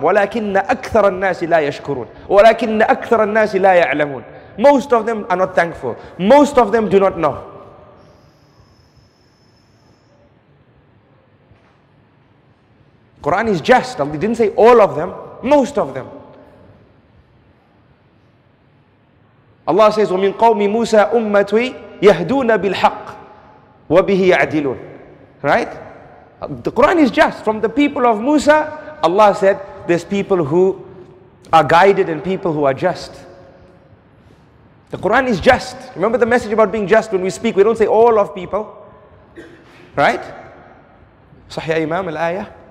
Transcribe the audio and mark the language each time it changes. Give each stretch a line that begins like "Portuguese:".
Arabic: وَلَكِنَّ أَكْثَرَ النَّاسِ لَا يَشْكُرُونَ وَلَكِنَّ أَكْثَرَ النَّاسِ لَا يَعْلَمُونَ.
English: Most of them are not thankful. Most of them do not know. Quran is just. Allah didn't say all of them. Most of them. Allah says,
Arabic: وَمِنْ قَوْمِ مُوسَى أُمَّتُوِ يَهْدُونَ بِالْحَقِّ وَبِهِ يَعْدِلُونَ.
English: Right? The Quran is just. From the people of Musa, Allah said, there's people who are guided and people who are just. The Quran is just. Remember the message about being just. When we speak, we don't say all of people. Right? Sahih Imam al-Ayah.